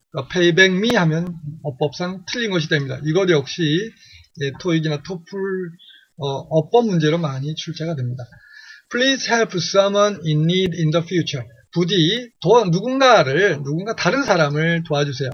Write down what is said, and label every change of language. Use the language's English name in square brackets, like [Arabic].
[English] pay back me [Korean] 하면 어법상 틀린 것이 됩니다. 이것 역시 토익이나 토플 어법 문제로 많이 출제가 됩니다. [English] Please help someone in need in the future. [Korean] 부디 누군가 다른 사람을 도와주세요.